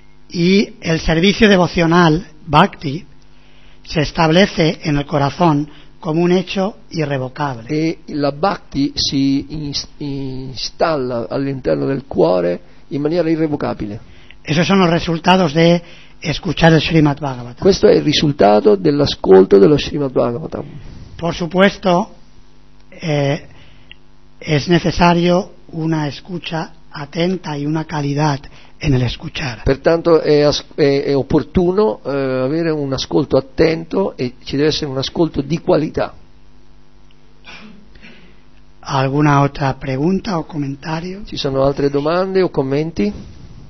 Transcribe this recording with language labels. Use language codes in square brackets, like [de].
[es] Y el servicio devocional, bhakti, se establece en el corazón como un hecho irrevocable. [it] E la bhakti si installa all'interno del cuore in maniera irrevocabile. [es] Esos son los resultados de escuchar el Srimad Bhagavatam. [it] Questo è il risultato dell'ascolto dello Srimad Bhagavatam. [es] Por supuesto, es necesario una escucha atenta y una calidad en el escuchar. [it] Pertanto è opportuno avere un ascolto attento e ci deve essere un ascolto di qualità. [es] ¿Alguna otra pregunta o comentario? [it] Ci sono altre domande o commenti?